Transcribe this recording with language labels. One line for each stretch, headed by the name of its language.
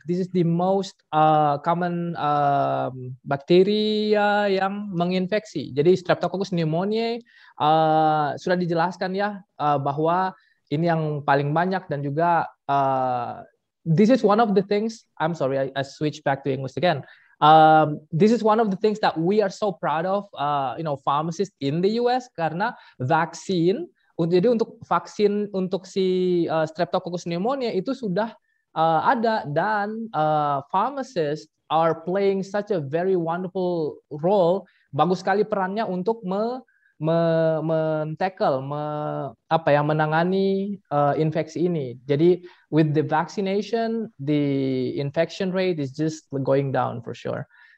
English: This is the most common
Indonesian: bakteria yang menginfeksi. Jadi Streptococcus pneumoniae sudah dijelaskan ya bahwa ini yang paling banyak, dan juga
English: this is one of the things. I'm sorry, I switch back to English again. This is one of the things that we are so proud of, you know, pharmacists in the US,
Indonesian: karena vaksin. Jadi untuk vaksin untuk si Streptococcus pneumonia itu sudah ada, dan
English: pharmacists are playing such a very wonderful role,
Indonesian: bagus sekali perannya untuk menangani infeksi ini. Jadi
English: with the vaccination, the infection rate is just going down for sure.